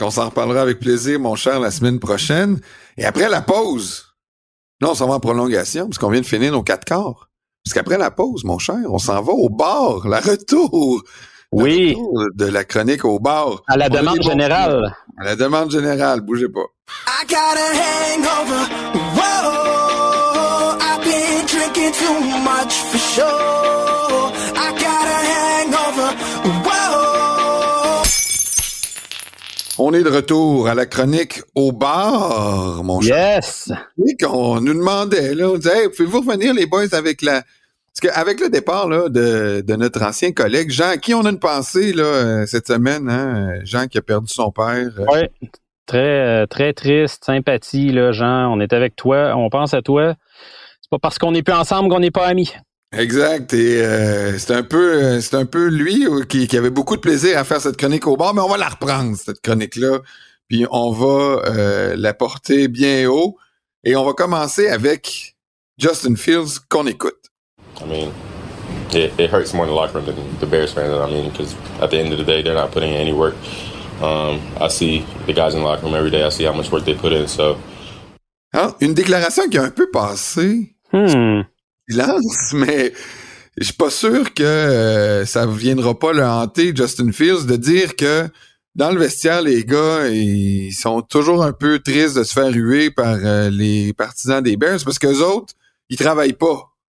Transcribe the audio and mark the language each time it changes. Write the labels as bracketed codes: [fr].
[fr] On s'en reparlera avec plaisir, mon cher, la semaine prochaine. Et après la pause, là, on s'en va en prolongation, puisqu'on vient de finir nos quatre quarts. Puisqu'après la pause, mon cher, on s'en va au bar, la retour. Oui. Le retour de la chronique au bar. À la demande générale. À la demande générale, bougez pas. [en] I got a hangover. Whoa. I've been drinking too much for sure. [fr] On est de retour à la chronique au bar, mon cher. [en] Yes! [fr] Oui, qu'on nous demandait, là, on disait, hey, pouvez-vous revenir les boys avec la... Parce qu'avec le départ là, de notre ancien collègue, Jean, à qui on a une pensée là, cette semaine, hein? Jean qui a perdu son père. Oui, très, très triste, sympathie, là, Jean, on est avec toi, on pense à toi. C'est pas parce qu'on n'est plus ensemble qu'on n'est pas amis. Exact. Et c'est un peu lui qui avait beaucoup de plaisir à faire cette chronique au bar, mais on va la reprendre, cette chronique-là. Puis on va la porter bien haut. Et on va commencer avec Justin Fields qu'on écoute. [en] I mean, it hurts more in the locker room than the Bears fans. I mean, because at the end of the day, they're not putting in any work. I see the guys in the locker room every day. I see how much work they put in, so. [fr] Hein? Une déclaration qui a un peu passé. Silence, mais je suis pas sûr que ça viendra pas le hanter, Justin Fields, de dire que dans le vestiaire, les gars, ils sont toujours un peu tristes de se faire huer par les partisans des Bears, parce qu'eux autres, ils travaillent pas.